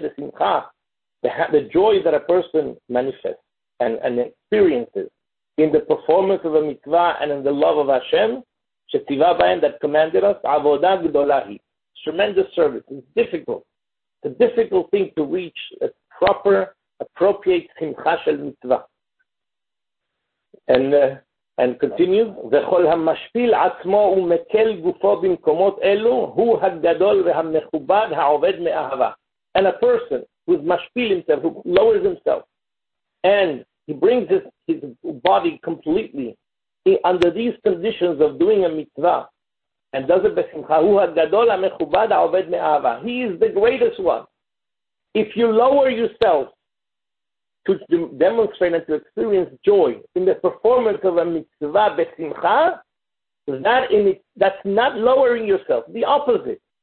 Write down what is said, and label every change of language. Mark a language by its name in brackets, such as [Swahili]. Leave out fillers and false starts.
[English] The simcha, the joy that a person manifests and experiences in the performance of a mitzvah and in the love of Hashem, [Hebrew] she'tiva ba'en, [English] that commanded us, [Hebrew] avodah gedolahi, [English] tremendous service. It's difficult. It's a difficult thing to reach a proper, appropriate simcha shel mitzvah. And continues, [Hebrew] וכל המשפיל עצמו ומקל גופו במקומות אלו הוא הגדול והמכובד העובד מאהבה. [English] And a person who's משפיל himself, who lowers himself, and he brings his body completely under these conditions of doing a mitzvah, and does it בשמחה, [Hebrew] הוא הגדול המכובד העובד מאהבה. [English] He is the greatest one. If you lower yourself to demonstrate and to experience joy in the performance of a mitzvah besimcha, that's not lowering yourself. The opposite.